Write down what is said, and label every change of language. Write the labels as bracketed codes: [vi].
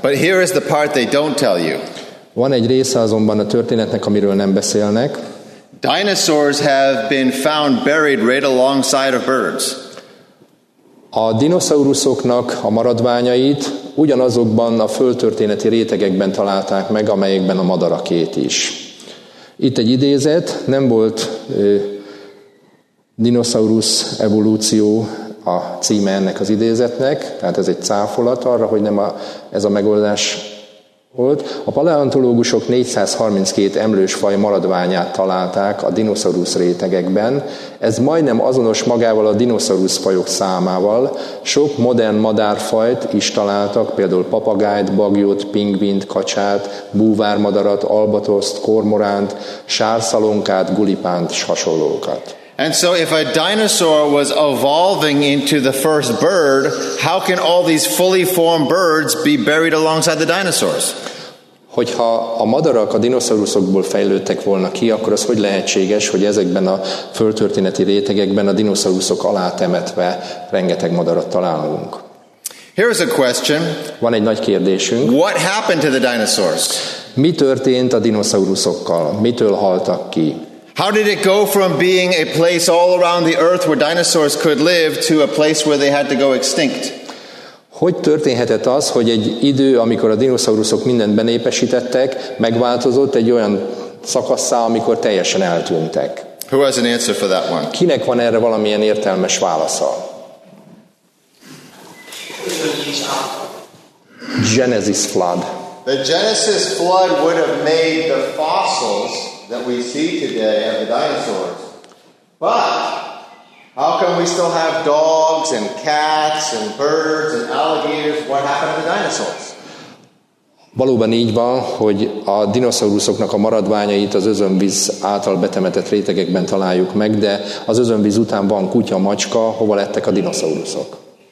[en] But here is the part they don't tell you. [hu] Van egy része azonban a történetnek, amiről nem beszélnek. [en] Dinosaurs have been found buried right alongside of birds. [hu] A dinoszauruszoknak a maradványait ugyanazokban a földtörténeti rétegekben találták meg, amelyekben a madarakét is. Itt egy idézet, nem volt dinoszaurusz evolúció a címe ennek az idézetnek, tehát ez egy cáfolat arra, hogy nem ez a megoldás volt. A paleontológusok 432 emlős faj maradványát találták a dinoszaurusz rétegekben. Ez majdnem azonos magával a dinoszaurusz fajok számával. Sok modern madárfajt is találtak, például papagájt, baglyót, pingvint, kacsát, búvármadarat, albatroszt, kormoránt, sárszalonkát, gulipánt és hasonlókat. [en] And so if a dinosaur was evolving into the first bird, how can all these fully formed birds be buried alongside the dinosaurs? [hu] Hogyha a madarak a dinoszauruszokból fejlődtek volna ki, akkor az hogy lehetséges, hogy ezekben a földtörténeti rétegekben a dinoszauruszok alá temetve rengeteg madarat találunk? [en] Here's a question. [hu] Van egy nagy kérdésünk. [en] What happened to the dinosaurs? [hu] Mi történt a dinoszauruszokkal? Mitől haltak ki? [en] How did it go from being a place all around the earth where dinosaurs could live to a place where they had to go extinct? [hu] Hogy történhetett az, hogy egy idő, amikor a dinoszauruszok mindent benépesítettek, megváltozott egy olyan szakaszá, amikor teljesen eltűntek? [en] Who has an answer for that one? [hu] Kinek van erre valamilyen értelmes válasza? [en] Genesis flood. The Genesis flood would have made the fossils that we see today of the dinosaurs. But how come we still have dogs and cats and birds and alligators? What happened to the dinosaurs? [hu] Valóban így van, hogy a dinoszauruszoknak a maradványait az özönvíz által betemetett rétegekben találjuk meg, de az özönvíz után van kutya, macska, hova lettek a dinoszauruszok?